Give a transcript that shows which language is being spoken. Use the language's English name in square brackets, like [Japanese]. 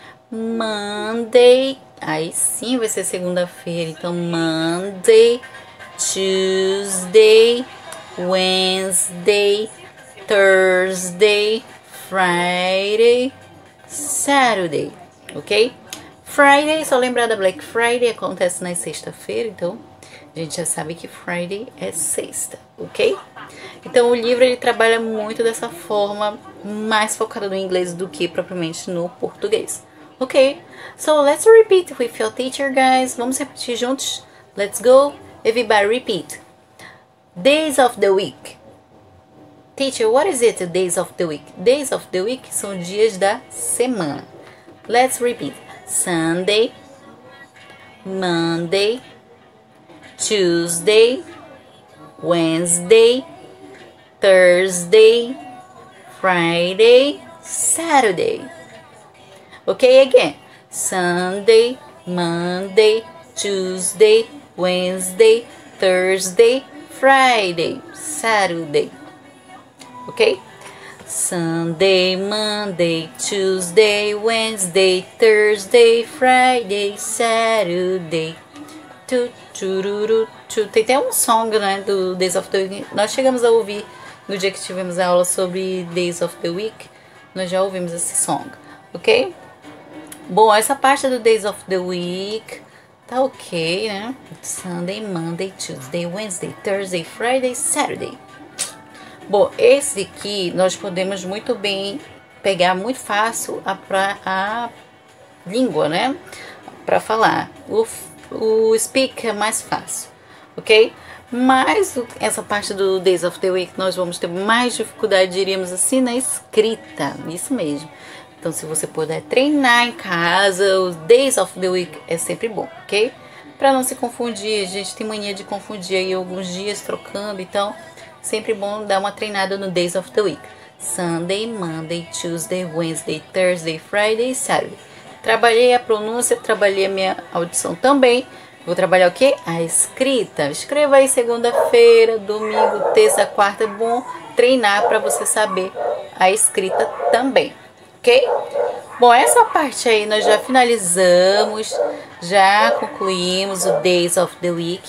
[Portuguese] Monday, aí sim vai ser segunda-feira, então [English] Monday, Tuesday, Wednesday, Thursday, Friday, Saturday, [Portuguese] ok? Friday, só lembrar da Black Friday, acontece na sexta-feira, então a gente já sabe que Friday é sexta, ok? Então o livro ele trabalha muito dessa forma, mais focado no inglês do que propriamente no português, ok? [English] So let's repeat with your teacher, guys. [Portuguese] Vamos repetir juntos? [English] Let's go. Everybody repeat. Days of the week. Teacher, what is it, days of the week? Days of the week [Portuguese] são dias da semana. [English] Let's repeat. Sunday, Monday, Tuesday, Wednesday, Thursday, Friday, Saturday. Okay, again. Sunday, Monday, Tuesday, Wednesday, Thursday, Friday, Saturday. Okay? Sunday, Monday, Tuesday, Wednesday, Thursday, Friday, Saturday. Tu, tu, ru, ru, tu. [Portuguese] Tem até um song, né, do Days of the Week. Nós chegamos a ouvir no dia que tivemos a aula sobre Days of the Week. Nós já ouvimos esse song, ok? Bom, essa parte do Days of the Week tá ok, né? [English] Sunday, Monday, Tuesday, Wednesday, Thursday, Friday, Saturday. [Portuguese] Bom, esse aqui nós podemos muito bem pegar muito fácil a língua, né? Pra falar. O speak é mais fácil, ok? Mas essa parte do Days of the Week nós vamos ter mais dificuldade, diríamos assim, na escrita. Isso mesmo. Então, se você puder treinar em casa, o Days of the Week é sempre bom, ok? Pra não se confundir, a gente tem mania de confundir aí alguns dias trocando, então sempre bom dar uma treinada no Days of the Week. [English] Sunday, Monday, Tuesday, Wednesday, Thursday, Friday, Saturday. [Portuguese] Trabalhei a pronúncia, trabalhei a minha audição também. Vou trabalhar o quê? A escrita. Escreva aí segunda-feira, domingo, terça, quarta. É bom treinar para você saber a escrita também, ok? Bom, essa parte aí nós já finalizamos, já concluímos o Days of the Week.